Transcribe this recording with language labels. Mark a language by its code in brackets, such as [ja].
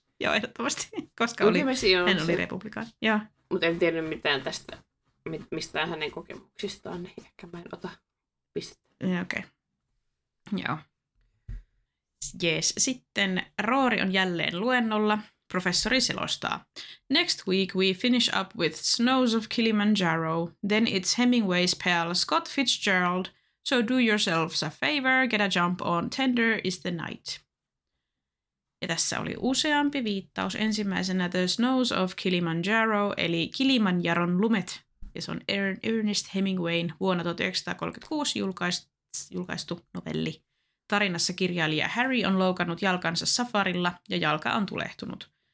[fi] Joo, ehdottomasti, koska oli, hän oli republikaan. Mutta en tiennyt mitään tästä, mistään hänen kokemuksistaan, niin ehkä mä en ota pistettä. Okei. Okay. Joo. Jees. Sitten Roori on jälleen luennolla. Professori selostaa. [en] Next week we finish up with Snows of Kilimanjaro, then it's Hemingway's pal Scott Fitzgerald, so do yourselves a favor, get a jump on Tender is the Night. [fi] Ja tässä oli useampi viittaus. Ensimmäisenä The Snows of Kilimanjaro, eli Kilimanjaron lumet. Ja se on Ernest Hemingwayn vuonna 1936 julkaistu novelli. Tarinassa kirjailija Harry on loukannut jalkansa safarilla ja jalka on tulehtunut.